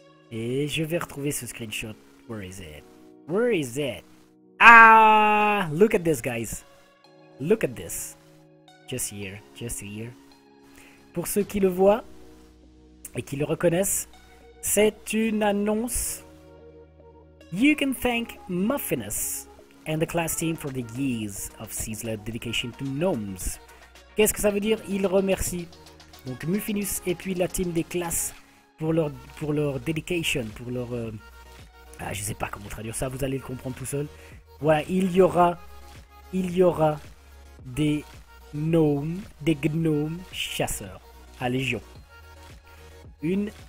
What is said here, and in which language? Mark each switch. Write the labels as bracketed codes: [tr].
[fr] Et je vais retrouver ce screenshot. [en] Where is it? Where is it? Ah! Look at this, guys. Look at this. Just here. Just here. [fr] Pour ceux qui le voient et qui le reconnaissent, c'est une annonce. [en] You can thank Muffinus and the class team for the years of ceaseless dedication to gnomes. [fr] Qu'est-ce que ça veut dire? Il remercie donc Muffinus et puis la team des classes pour leur dedication, pour leur ah, je sais pas comment traduire ça, vous allez le comprendre tout seul. Voilà, il y aura des gnomes chasseurs à Légion. Une